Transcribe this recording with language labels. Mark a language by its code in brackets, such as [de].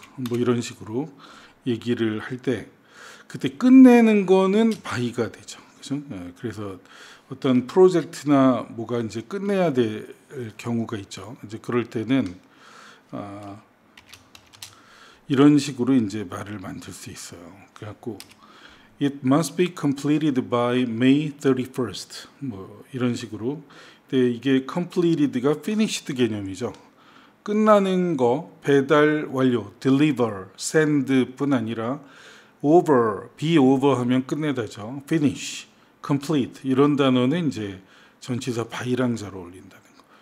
[ko] 뭐 이런 식으로 얘기를 할 때 그때 끝내는 거는 by가 되죠. 그죠? 네, 그래서 어떤 프로젝트나 뭐가 이제 끝내야 될 경우가 있죠. 이제 그럴 때는 이런 식으로 이제 말을 만들 수 있어요. 그래갖고 [en] it must be completed by May 31st [ko] 뭐 이런 식으로. 근데 이게 completed가 finished 개념이죠. 끝나는 거 배달 완료 deliver send뿐 아니라 over be over 하면 끝내다죠. finish complete 이런 단어는 이제 전치사 by랑 잘 어울린다는 거.